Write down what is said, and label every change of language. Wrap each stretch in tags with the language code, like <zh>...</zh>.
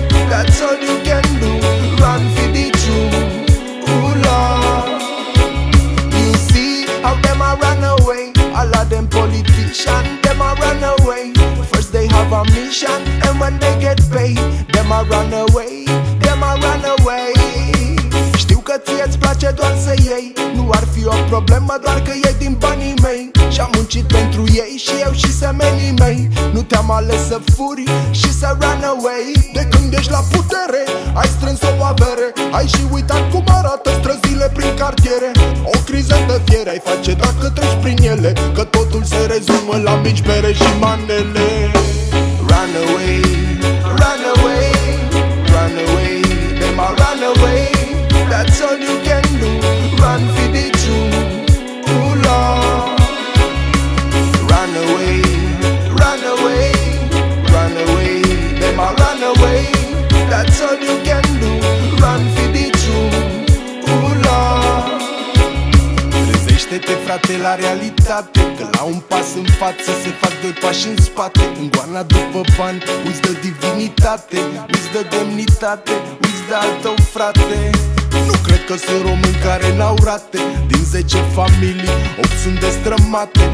<en>That's all you can do, run for the truth, oh Lord. You see how them a run away, all of them politicians, them a run away. First they have a mission, and when they get paid, them a run away, them a run away.</en> <ro>Știu că ție îți place doar să iei, nu ar fi o problemă doar că e din banii mei. Și-am muncit pentru ei și eu și semenii mei. Nu te-am ales să furi și să</ro> <en>run away.</en> <ro>De când ești la putere, ai strâns o avere, ai și uitat cum arată străzile prin cartiere. O criză de fier ai face dacă treci prin ele, că totul se rezumă la mici bere și manele.</ro> <en>Run away, run away, run away, they ma run away. That's all you can do, run for the truth, oh Lord. Run away, run away, run away, them a run away. That's all you can do, run for the truth, oh Lord.</en> <ro>Trezește-te, frate, la realitate, că la un pas în față se fac doi pași în spate. În goana după bani, uiți de divinitate, uiți de demnitate, uiți de al tău frate. Nu cred că sunt români care n-au rate. Din 10 familii, 8 sunt destrămate.</ro>